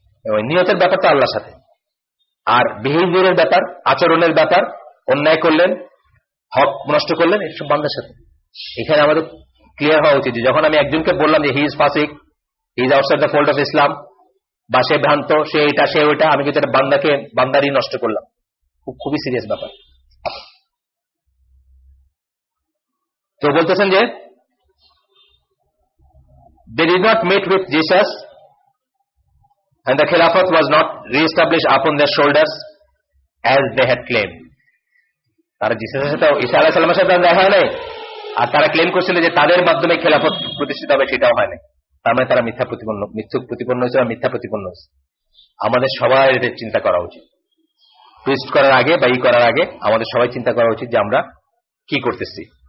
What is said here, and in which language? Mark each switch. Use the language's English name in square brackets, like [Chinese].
[Bangla] এবং নিয়তের ব্যাপার তো আল্লাহর সাথে, আর বিহেভিয়ারের ব্যাপার, আচরণের ব্যাপার, অন্যায় করলেন, হক নষ্ট করলেন, এসব বান্দার সাথে। এখানে আমাদের ক্লিয়ার হওয়া উচিত যে যখন আমি একজনকে বললাম যে [English] he is ফাসিক, he is outside the fold of Islam, [Bangla] বা সে ভ্রান্ত, সে এটা সে ওইটা, আমি কিন্তু একটা বান্দাকে বান্দারই নষ্ট করলাম, খুবই সিরিয়াস ব্যাপার। তো বলতেছেন যে [English] they did not meet with Jesus and the Khilafat was not re-established upon their shoulders as they had claimed. [Bangla] তারা জিসাসের সাথে ঈসা আলাইহিস সালামের সাথে দেখা হয় নাই, আর তারা ক্লেম করছিল যে তাদের মাধ্যমে খেলাফত প্রতিষ্ঠিত হবে সেটাও হয় নাই, তার মানে তারা মিথ্যা প্রতিপন্ন, মিথ্যুক প্রতিপন্ন হয়েছে বা মিথ্যা প্রতিপন্ন হয়েছে। আমাদের সবাই এটা চিন্তা করা উচিত, টুইস্ট করার আগে বা ই করার আগে আমাদের সবাই চিন্তা করা উচিত যে আমরা কি করতেছি।